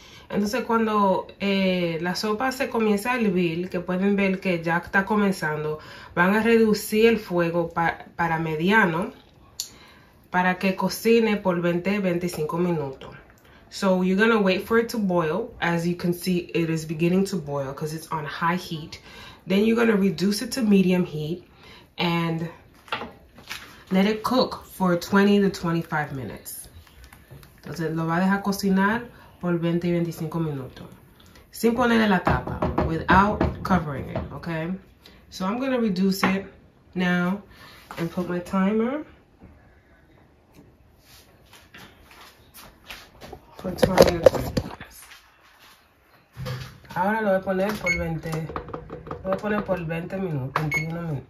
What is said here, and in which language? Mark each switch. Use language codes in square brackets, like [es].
[es] Entonces cuando la sopa se comienza a hervir, que pueden ver que ya está comenzando, van a reducir el fuego para mediano para que cocine por 20-25 minutos. [en] So you're gonna wait for it to boil. As you can see, it is beginning to boil because it's on high heat. Then you're gonna reduce it to medium heat and let it cook for 20 to 25 minutes. [es] Entonces lo va a dejar cocinar por 20-25 minutos. Sin ponerle la tapa, [en] without covering it, okay? So I'm gonna reduce it now and put my timer. [es] Por 20 o 30. Ahora lo voy a poner por 20. Lo voy a poner por 20 minutos. 21 minutos.